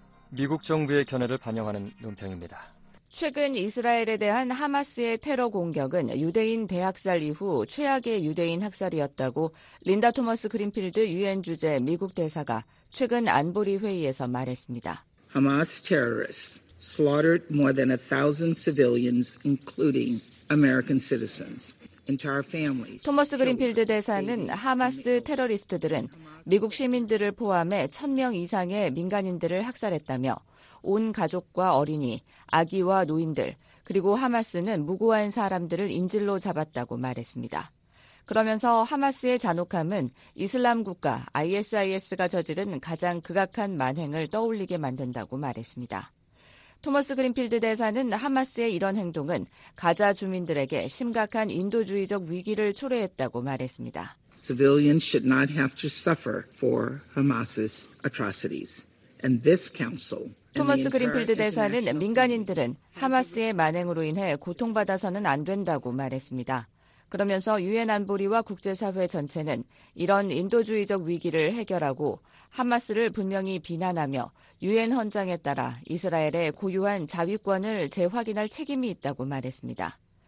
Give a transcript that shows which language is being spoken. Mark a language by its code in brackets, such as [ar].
[ko] 미국 정부의 견해를 반영하는 논평입니다. 최근 이스라엘에 대한 하마스의 테러 공격은 유대인 대학살 이후 최악의 유대인 학살이었다고 린다 토머스 그린필드 유엔 주재 미국 대사가 최근 안보리 회의에서 말했습니다. [en] Hamas terrorists slaughtered more than 1,000 civilians, including American citizens. [ko] 토머스 그린필드 대사는 하마스 테러리스트들은 미국 시민들을 포함해 1,000명 이상의 민간인들을 학살했다며 온 가족과 어린이, 아기와 노인들, 그리고 하마스는 무고한 사람들을 인질로 잡았다고 말했습니다. 그러면서 하마스의 잔혹함은 이슬람 국가 ISIS가 저지른 가장 극악한 만행을 떠올리게 만든다고 말했습니다. 토머스 그린필드 대사는 하마스의 이런 행동은 가자 주민들에게 심각한 인도주의적 위기를 초래했다고 말했습니다. [en] Civilians should not have to suffer for Hamas's atrocities. And this council. [ko] 토머스 그린필드 대사는 민간인들은 하마스의 만행으로 인해 고통받아서는 안 된다고 말했습니다. 그러면서 유엔 안보리와 국제사회 전체는 이런 인도주의적 위기를 해결하고 하마스를 분명히 비난하며 유엔 헌장에 따라 이스라엘의 고유한 자위권을 재확인할 책임이 있다고 말했습니다.